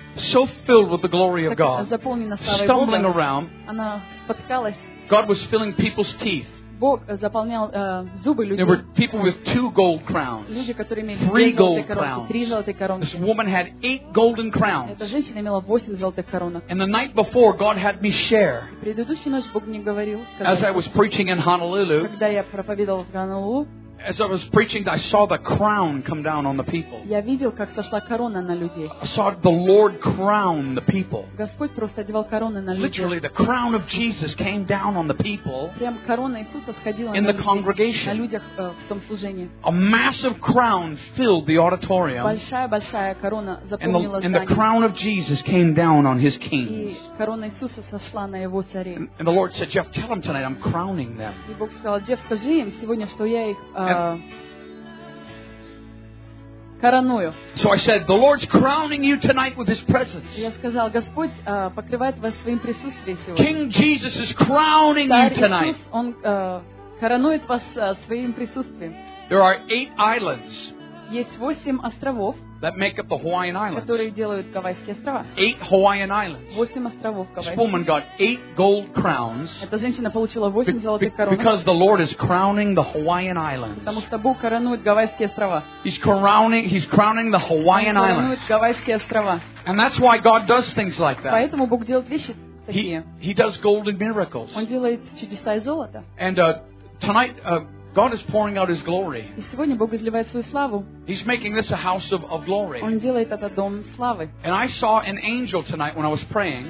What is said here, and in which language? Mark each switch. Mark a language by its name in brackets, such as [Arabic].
[English] So filled with the glory of God. [Russian] Заполнена славой Бога. [English] Stumbling around. [Russian] Она спотыкалась. [English] God was filling people's teeth. [Russian] Бог заполнял зубы людей. [English] There were people with 2 gold crowns. [Russian] Люди, которые имели [English] 3 gold crowns. [Russian] 3 золотых коронок. [English] This woman had 8 golden crowns. [Russian] Эта женщина имела 8 золотых коронок. [English] And the night before, God had me share. [Russian] Предыдущую ночь Бог мне говорил. [English] As I was preaching in Honolulu. [Russian] Когда я проповедовал в Гонолулу. [English] As I was preaching, I saw the crown come down on the people. [Russian] Я видел, как сошла корона на людей. [English] I saw the Lord crown the people. [Russian] Господь просто одевал короны на людей. [English] Literally, the crown of Jesus came down on the people. [Russian] Прям корона Иисуса сходила [English] in the congregation. [Russian] На людях в том служении. [English] A massive crown filled the auditorium. [Russian] Большая большая корона заполнила здание. [English] And the crown of Jesus came down on His kings. [Russian] И корона Иисуса сошла на его царей. [English] And the Lord said, "Jeff, tell them tonight I'm crowning them." [Russian] И Бог сказал, Джефф, скажи им сегодня, что я их короную. [English] So I said, the Lord's crowning you tonight with His presence. [Russian] Я сказал, Господь покрывает вас своим присутствием сегодня. [English] King Jesus is crowning you tonight. [Russian] Он коронует вас своим присутствием. [English] There are 8 islands. [Russian] Есть 8 островов. [English] That make up the Hawaiian islands. [Russian] Которые делают Гавайские острова. [English] 8 Hawaiian islands. [Russian] 8 островов Гавайи. [English] This woman got 8 gold crowns. [Russian] Эта женщина получила 8 золотых коронок. [English] Because the Lord is crowning the Hawaiian islands. [Russian] Потому что Бог коронует Гавайские острова. [English] He's crowning the Hawaiian islands. [Russian] Он коронует Гавайские острова. [English] And that's why God does things like that. [Russian] Поэтому Бог делает вещи такие. [English] He does golden miracles. [Russian] Он делает чудеса из золота. [English] And tonight. God is pouring out His glory. [Russian] И сегодня Бог изливает свою славу. [English] He's making this a house of glory. [Russian] Он делает это дом славы. [English] And I saw an angel tonight when I was praying.